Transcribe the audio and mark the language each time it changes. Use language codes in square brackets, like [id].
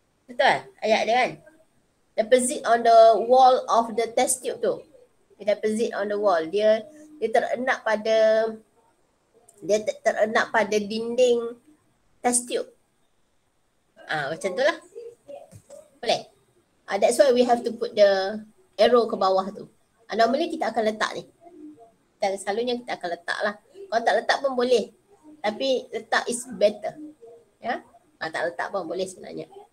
[ms] Betul lah ayat dia kan? [en] Deposit on the wall of the test tube tu. Dia deposit on the wall. [ms] Dia terenak pada terenak pada dinding test tube. Ah, macam tu lah. Boleh? [en] That's why we have to put the arrow [ms] ke bawah tu. Normally kita akan letak ni. Dan selalunya kita akan letak lah. Kalau tak letak pun boleh. Tapi letak [en] is better. [ms] Ya? Yeah? Tak letak pun boleh sebenarnya.